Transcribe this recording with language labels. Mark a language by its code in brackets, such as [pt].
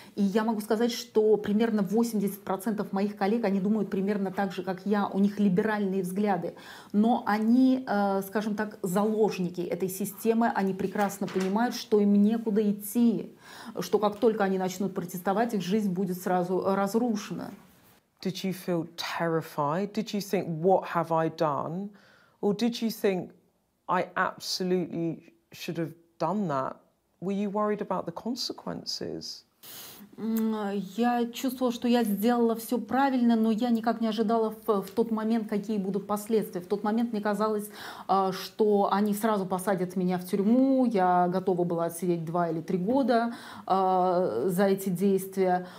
[ru] И я могу сказать, что примерно 80% моих коллег, они думают примерно так же, как я. У них либеральные взгляды. Но они, скажем так, заложники этой системы. Они прекрасно понимают, что им некуда идти. Что как только они начнут протестовать, их жизнь будет сразу разрушена. [en] Did you feel terrified? Did you think, what have I done? Or did you think, I absolutely should have done that? Were you worried about the consequences? [ru] Я чувствовала, что я сделала все правильно, но я никак не ожидала в тот момент, какие будут последствия. В тот момент мне казалось, что они сразу посадят меня в тюрьму, я готова была сидеть 2 или 3 года за эти действия.